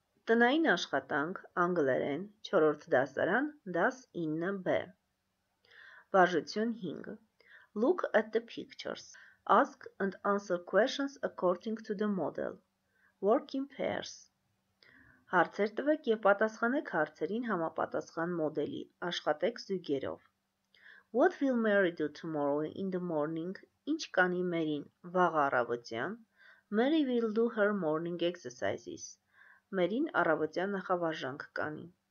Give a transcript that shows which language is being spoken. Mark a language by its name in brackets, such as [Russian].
[Armenian] Tnayin ashxatanq, anglerin, 4-րդ դասարան, դաս 9b. Վարժություն 5. [English] Look at the pictures. Ask and answer questions according to the model. Work in pairs. [Armenian] Հարցեր տվեք եւ պատասխանեք հարցերին համապատասխան մոդելի, աշխատեք զույգերով. [English] What will Mary do tomorrow in the morning? [Armenian] Ինչ կանի Մերին վաղ առավոտյան? [English] Mary will do her morning exercises. [Armenian] Մերին առավոտյան նախավարժանք կանի.